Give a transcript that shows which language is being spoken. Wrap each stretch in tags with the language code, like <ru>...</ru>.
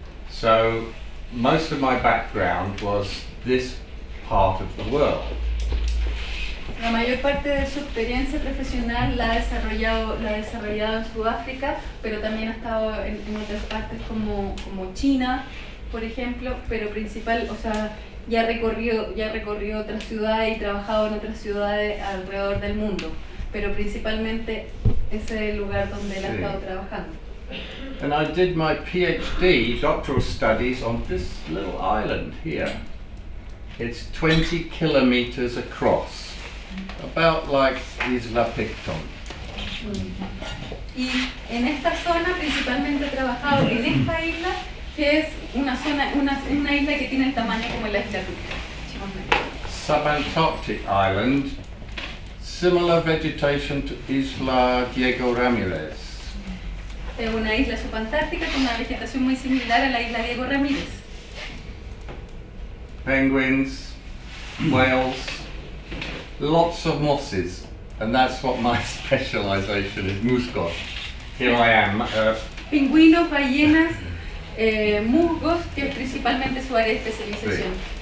<en>So most of my background was this part of the world.</en> <es>La mayor parte de su experiencia profesional la ha desarrollado en Sudáfrica, pero también ha estado en otras partes como China, por ejemplo, pero principal, o sea, ya recorrió otras ciudades y trabajado en otras ciudades alrededor del mundo, pero principalmente ese es el lugar donde él ha estado trabajando.</es> <en>And I did my PhD, doctoral studies, on this little island here. It's 20 kilometers across, about like Isla Picton.</en> <es>Y en esta zona principalmente he trabajado en esta isla, que es una isla que tiene el tamaño como la isla Picton.</es> <en>Subantarctic island, similar vegetation to Isla Diego Ramirez.</en> <es>Es una isla subantártica con una vegetación muy similar a la isla Diego Ramirez.</es> <en>Penguins, whales, lots of mosses, and that's what my specialization is, musgos. Here I am.</en> <es>Pingüinos, ballenas, musgos, que es principalmente su área de especialización.</es>